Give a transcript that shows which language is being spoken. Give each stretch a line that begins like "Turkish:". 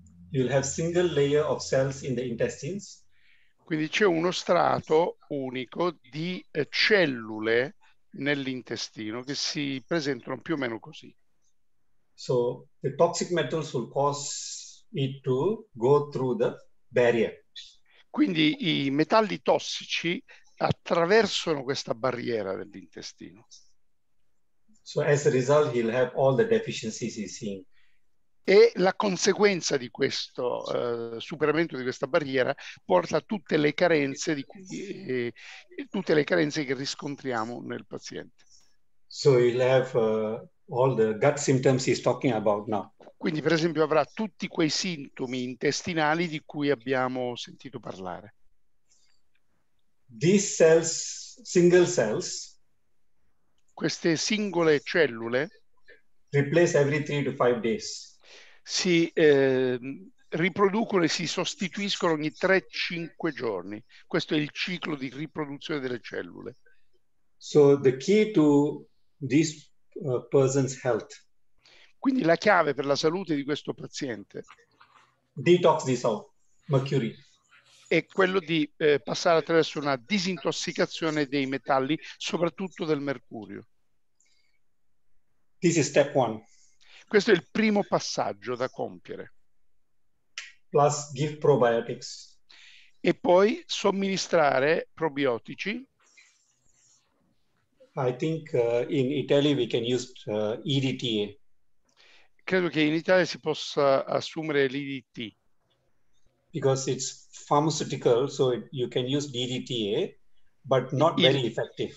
English: You'll have single layer of cells in the intestines.
Italian: Quindi c'è uno strato unico di cellule nell'intestino che si presentano più o meno così.
English: So the toxic metals will cause it to go through the barrier.
Italian: Quindi i metalli tossici attraversano questa barriera dell'intestino.
English: So as a result he'll have all the deficiencies he's seeing.
Italian: E la conseguenza di questo superamento di questa barriera porta a tutte le carenze tutte le carenze che riscontriamo nel paziente.
English: So he'll have all the gut symptoms he's talking about now.
Italian: Quindi per esempio avrà tutti quei sintomi intestinali di cui abbiamo sentito parlare.
English: These cells, single cells,
Italian: queste singole cellule
English: replace every 3 to 5 days.
Italian: Si riproducono e si sostituiscono ogni 3-5 giorni. Questo è il ciclo di riproduzione delle cellule.
English: So the key to this person's health.
Italian: Quindi la chiave per la salute di questo paziente.
English: Detox this out, mercury.
Italian: È quello di passare attraverso una disintossicazione dei metalli, soprattutto del mercurio.
English: This is step one.
Italian: Questo è il primo passaggio da compiere.
English: Plus give probiotics.
Italian: E poi somministrare probiotici.
English: I think in Italy we can use EDTA.
Italian: Credo che in Italia si possa assumere l'EDT.
English: Because it's pharmaceutical, so you can use DDTA, but not very effective.